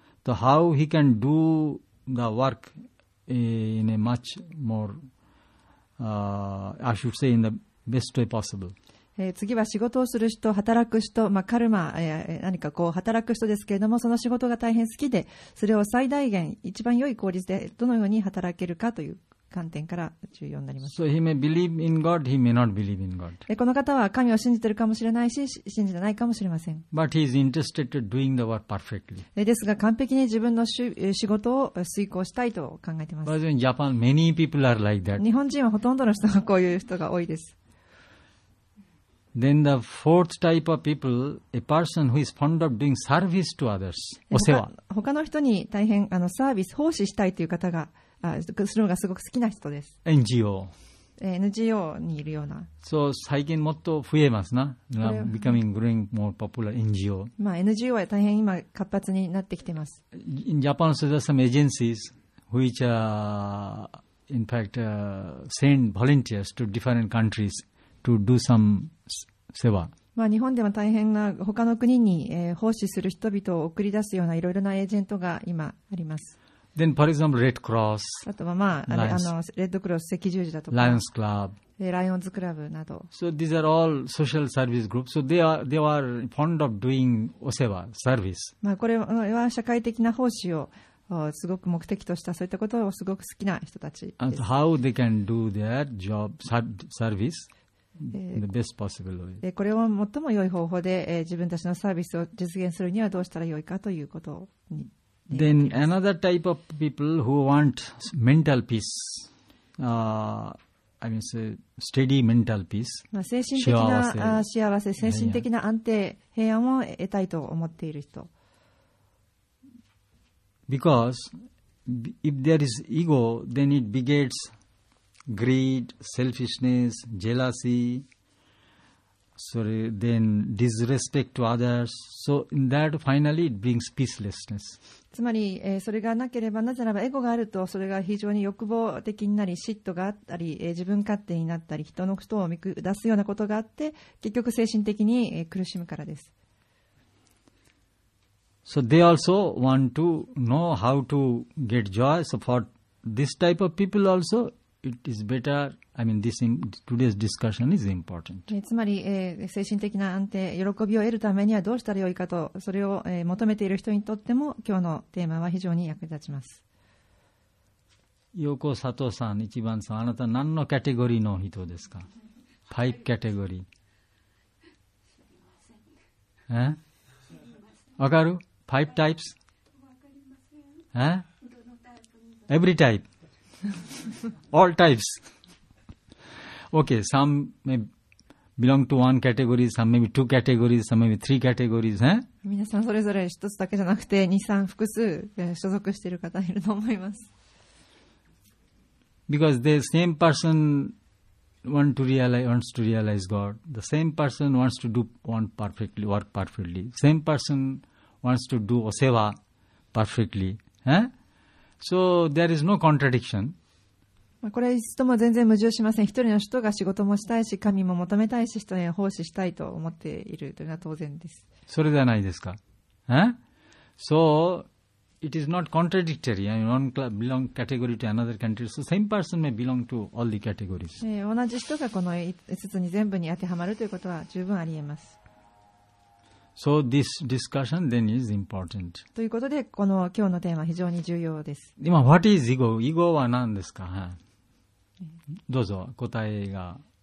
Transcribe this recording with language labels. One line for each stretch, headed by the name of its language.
English: So how he can do the work in a much more I should say in the best way possible.
Japanese: 次は仕事をする人、働く人、まあ、カルマ、何かこう働く人ですけれども、その仕事が大変好きで、それを最大限、一番良い効率でどのように働けるかという観点から重要になります。
English: So he may believe in God, he may not believe in God.
Japanese: この方は神を信じているかもしれないし、信じてないかもしれません。
English: But he is interested in doing the work perfectly.
Japanese: ですが、完璧に自分の仕事を遂行したいと考えています。
English: But in Japan, many people are like that.
Japanese: 日本人はほとんどの人がこういう人が多いです。
English: Then the fourth type of people, a person who is fond of doing service to others,
Japanese: お世話。他の人に大変サービス、奉仕したいという方が、するのがすごく好きな人です。
English: NGO。
Japanese: NGO にいるような。
English: So,
Japanese: 最近もっと増えますな。
English: Becoming growing more popular NGO。
Japanese: まあ、NGO は大変今活発になってきてます。
English: In Japan, there are some agencies which are, in fact, send volunteers to different countries to do some seva.
Japanese: まあ、日本でも大変な他の国に、奉仕する人々を送り出すようないろいろなエージェントが今あります。
English: Then, for example, Red Cross,
Japanese: あとは、まあ、レッドクロス、赤十字だとか、
English: Lions Club,
Japanese: ライオンズクラブなど。
English: So these are all social service groups. So they are fond of doing oseva, service.
Japanese: まあこれは社会的な奉仕をすごく目的としたそういったことをすごく好きな人たちです。
English: And how they can do their job, service in the best possible way.
Japanese: これを最も良い方法で、自分たちのサービスを実現するにはどうしたら良いかということに。
English: Then another type of people who want mental peace, I mean, say steady mental peace.
Japanese: まあ精神的な幸せ、精神的な安定、平安を得たいと思っている人。
English: Because if there is ego, then it begets greed, selfishness, jealousy. Sorry, then disrespect to others. So in that, finally, it brings peacelessness.
Japanese: つまり、それがなければなぜならばエゴがあるとそれが非常に欲望的になり嫉妬があったり、自分勝手になったり人の人を見下すようなことがあって結局精神的に、苦しむからです。
English: So they also want to know how to get joy. So for this type of people also, it is better. I mean, this in today's discussion is important.
Japanese: つまり、精神的な安定、喜びを得るためにはどうしたらよいかと、それを、求めている人にとっても今日のテーマは非常に役立ちます。横佐藤さん、一番さん、あなた何のカテゴリーの人ですか ？5 カテゴリー。わかる ？5 タイプス。
English: Every type. All types. Okay, some may belong to one category, some maybe two categories, some maybe three categories, huh?
Japanese: 皆さんそれぞれ一つだけじゃなくて二三複数所属している方いると思います。
English: Because the same person wants to realize God, the same person wants to do one perfectly, work perfectly, same person wants to do oseva perfectly, So there is no contradiction.
Japanese: これは一つとも全然矛盾しません。一人の人が仕事もしたいし、神も求めたいし、人に奉仕したいと思っているというのは当然です。それではないですか。
English: So, it is not contradictory. One club belong category to another category. So, same person may belong to all the categories.
Japanese: 同じ人がこの5つに全部に当てはまるということは十分ありえます。
English: So this discussion then is important.
Japanese: ということで、この今日のテーマは非常に重要です。今、
English: What is ego?
Japanese: Ego は何ですか？どうぞ、答えが。